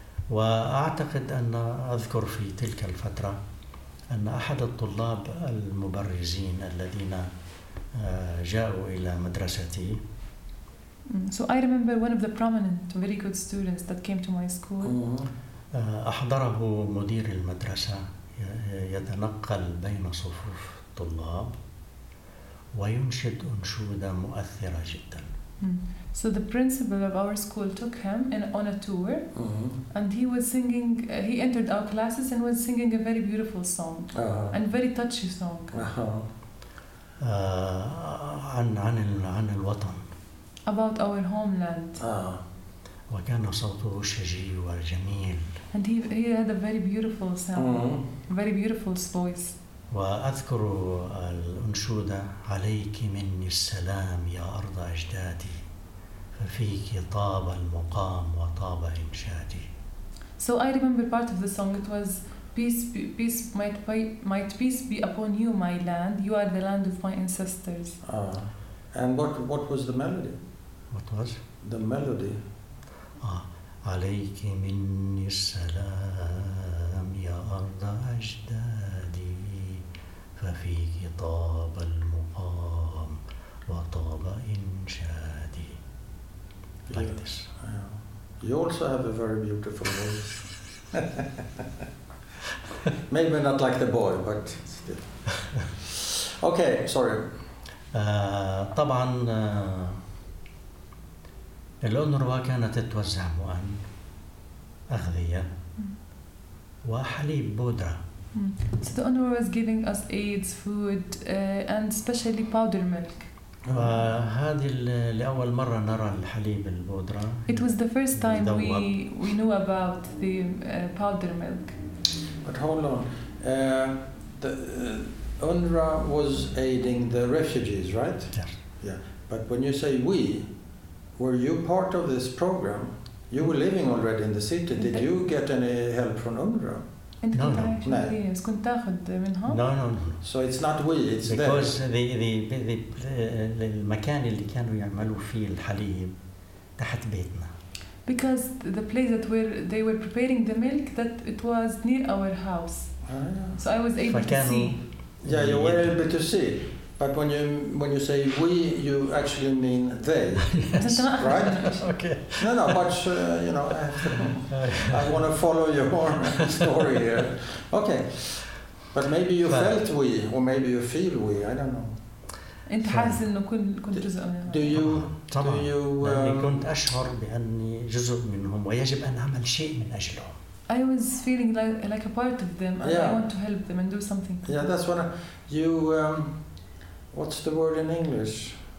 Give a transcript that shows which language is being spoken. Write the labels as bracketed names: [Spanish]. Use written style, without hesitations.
[Arabic] وأعتقد أن أذكر في تلك الفترة أن أحد الطلاب المبرزين الذين جاءوا إلى مدرستي. [English] So I remember one of the prominent, very good students that came to my school. [Arabic] أحضره مدير المدرسة يتنقل بين صفوف الطلاب وينشد أنشودة مؤثرة جدا. [English] So the principal of our school took him in on a tour, and he was singing. He entered our classes and was singing a very beautiful song, and very touchy song. [Arabic] عن الوطن. [English] About our homeland. [Arabic] وكان صوته شجي وجميل. [English] And he had a very beautiful sound, very beautiful voice. [Arabic] وأذكر الأنشودة عليك مني السلام يا أرض أجدادي. فيك طاب المقام وطاب إنشادي. [English] So I remember part of the song. It was peace might be upon you, my land. You are the land of my ancestors. And what was the melody? What was the melody? [Arabic] عليك مني السلام يا أرض أجدادي. ففيك طاب المقام وطاب إنشادي. [English] Like this. Yeah. You also have a very beautiful voice. Maybe not like the boy, but still. Okay, sorry. [Arabic] طبعا الأونروا كانت تتوزع مؤن أغذية وحليب بودرة. [English] So the Honor was giving us aids, food, and especially powder milk. [Arabic] وهذه لأول مرة نرى الحليب البودرة. [English] It was the first time we knew about the powder milk. But hold on, the UNRWA was aiding the refugees, right? Yes. Yeah. But when you say we, were you part of this program? You were living already in the city. Did you get any help from UNRWA? No. So it's not we, it's them. Because the [Arabic] المكان اللي كانوا يعملوا فيه الحليب تحت بيتنا. [English] Because the place that where they were preparing the milk, that it was near our house. So I was able to see. Yeah, you were able to see. But when you say we, you actually mean they. Yes. Right? Okay. No, but you know, I want to follow your story here. Okay. But maybe you felt we, or maybe you feel we, I don't know. [Arabic] انت حاسس انه كنت جزء منهم. [English] Do you [Arabic] لأني كنت أشعر بأني جزء منهم ويجب أن أعمل شيء من أجلهم. [English] I was feeling like a part of them and I want to help them and do something. Yeah, that's what what's the word in English?